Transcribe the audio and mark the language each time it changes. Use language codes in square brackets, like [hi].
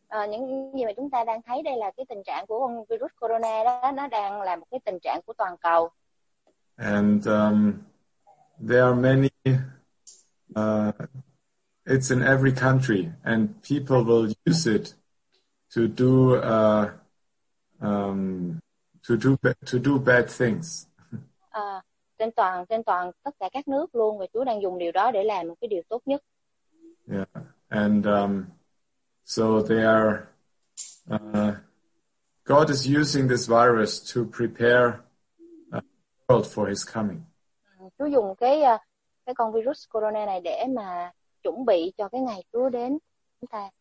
[vi] Những gì mà chúng ta đang thấy đây là cái tình trạng của con virus corona đó, nó đang là một cái tình trạng của toàn cầu. [en] And there are many, it's in every country, and people will use it to do bad things. [vi] Trên toàn tất cả các nước luôn, và Chúa đang dùng điều đó để làm một cái điều tốt nhất. [en] Yeah, and so they are, God is using this virus to prepare for his coming. [vi] Chúa dùng cái con virus corona này để mà chuẩn bị cho cái ngày Chúa đến chúng ta.